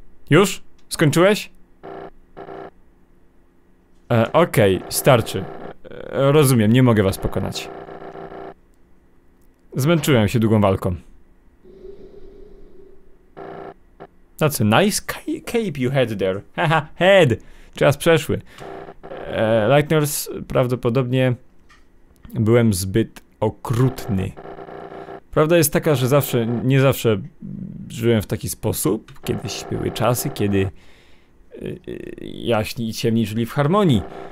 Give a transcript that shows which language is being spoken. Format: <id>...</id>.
<pl>Już? Skończyłeś? Okej, okay, starczy. Rozumiem, nie mogę was pokonać. Zmęczyłem się długą walką.</pl> <en>That's a nice cape you had there. Haha, head!</en> <pl>Czas przeszły. Lightners, prawdopodobnie byłem zbyt okrutny. Prawda jest taka, że zawsze, nie zawsze żyłem w taki sposób. Kiedyś były czasy, kiedy jaśni i ciemni żyli w harmonii.</pl>